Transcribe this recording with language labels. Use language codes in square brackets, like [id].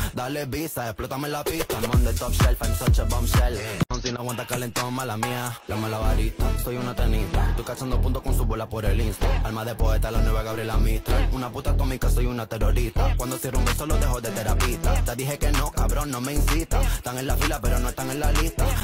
[es] Dale visa, explótame la pista. [en] I'm on the top shelf, I'm such a bombshell. [es] Si no aguanta calentón, mala mía. La malabarista, soy una tenista. Estoy cazando puntos con su bola por el Insta. Alma de poeta, la nueva Gabriela Mistral. Una puta atómica, soy una terrorista. Cuando cierro un beso, lo dejo de terapista. Te dije que no, cabrón, no me incita. Están en la fila, pero no están en la lista.